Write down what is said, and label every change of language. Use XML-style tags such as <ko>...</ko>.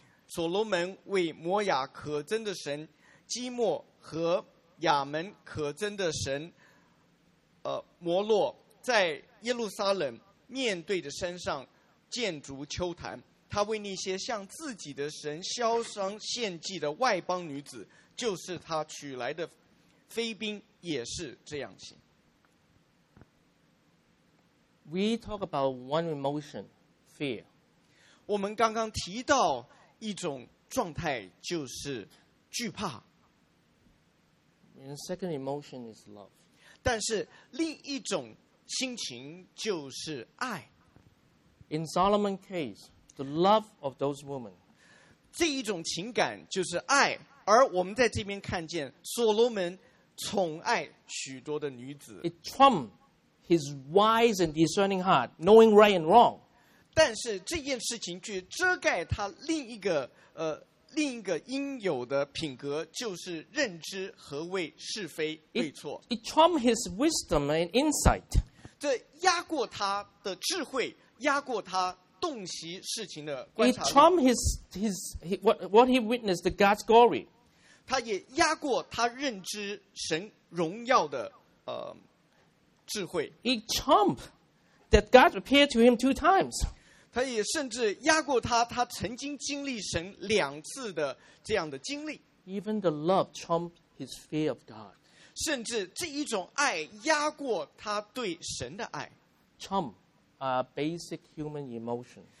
<zh>所罗门为摩押可憎的神基莫和亚门可憎的神摩洛，在耶路撒冷面对着山上建筑丘坛。他为那些向自己的神烧香献祭的外邦女子，就是他娶来的妃嫔，也是这样行。</zh> <en>We talk about one emotion, fear.</en> <zh>我们刚刚提到一种状态，就是惧怕。</zh> <en>And second emotion is love.</en> <zh>但是另一种心情就是爱。</zh> <en>In Solomon's case, the love of those women.</en> <zh>这一种情感就是爱，而我们在这边看见所罗门宠爱许多的女子。</zh> <en>It trumped his wise and discerning heart, knowing right and wrong.</en> <zh>但是这件事情却遮盖他另一个应有的品格，就是认知何谓是非对错。</zh> <en>It trumped his wisdom and insight.</en> <zh>这压过他的智慧，压过他洞悉事情的观察力。</zh> <en>It trumped what he witnessed the God's glory.</en> <zh>他也压过他认知神荣耀的智慧。</zh> <en>It trumped that God appeared to him 2 times.</en> <zh>他也甚至压过他曾经经历神两次的这样的经历。</zh> <en>Even the love trumped his fear of God.</en> <zh>甚至这一种爱压过他对神的爱。</zh> <en>Trumped a basic human emotion.</en>